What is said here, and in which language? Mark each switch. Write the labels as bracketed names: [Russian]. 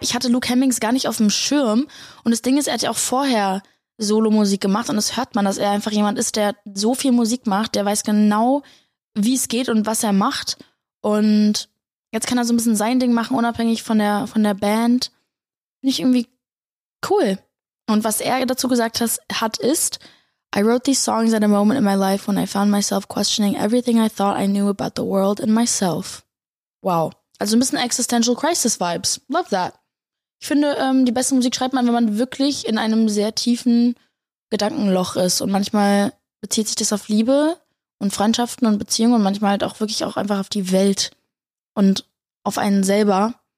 [German] Ich hatte Luke Hemmings gar nicht auf dem Schirm. Und das Ding ist, er hat ja auch vorher Solo-Musik gemacht. Und das hört man, dass er einfach jemand ist, der so viel Musik macht. Der weiß genau, wie es geht und was er macht. Und jetzt kann er so ein bisschen sein Ding machen, unabhängig von der Band. Finde ich irgendwie cool. Und was er dazu gesagt hat, ist: [English] I wrote these songs at a moment in my life when I found myself questioning everything I thought I knew about the world and myself. [German] Wow. Also ein bisschen Existential Crisis Vibes. [English] Love that. [German] Ich finde, die beste Musik schreibt man, wenn man wirklich in einem sehr tiefen Gedankenloch ist. Und manchmal bezieht sich das auf Liebe und Freundschaften und Beziehungen und manchmal halt auch wirklich auch einfach auf die Welt und auf einen selber.